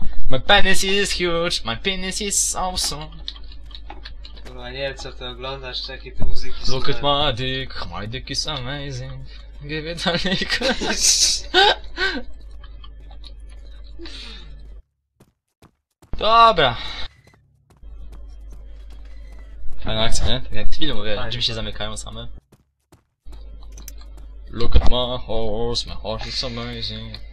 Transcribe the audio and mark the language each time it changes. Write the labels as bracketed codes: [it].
[en] My penis is huge, my penis is awesome. [pl] Kurwa, nie wiem co ty oglądasz, czy jakie te muzyki są. [en] Look at my dick is amazing. Give it a lick. [pl] Dobra. Fajna akcja, nie? Tak jak z filmu, wie, drzwi się zamykają same. [en] Look at my horse is amazing.